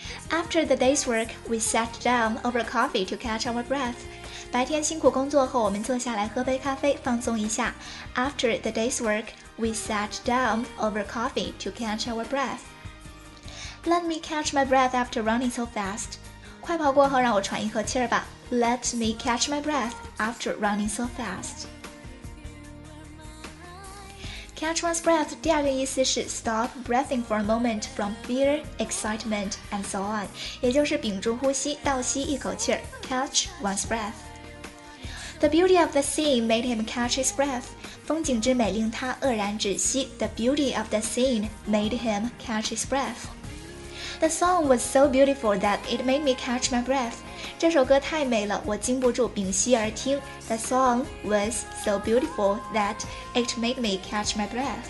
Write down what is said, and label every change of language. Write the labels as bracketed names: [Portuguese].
[English] After the day's work, we sat down over coffee to catch our breath. [Chinese] 白天辛苦工作后，我们坐下来喝杯咖啡，放松一下。 [English] After the day's work, we sat down over coffee to catch our breath. Let me catch my breath after running so fast. [Chinese] 快跑过后，让我喘一口气儿吧。 [English] Let me catch my breath after running so fast. Catch one's breath [Chinese] 第二个意思是 [English] stop breathing for a moment from fear, excitement, and so on. [Chinese] 也就是屏住呼吸，倒吸一口气儿。 [English] Catch one's breath. The beauty of the scene made him catch his breath. [Chinese] 风景之美令他愕然止息。 [English] The beauty of the scene made him catch his breath. The song was so beautiful that it made me catch my breath. [Chinese] 这首歌太美了，我禁不住屏息而听。 [English] The song was so beautiful that it made me catch my breath.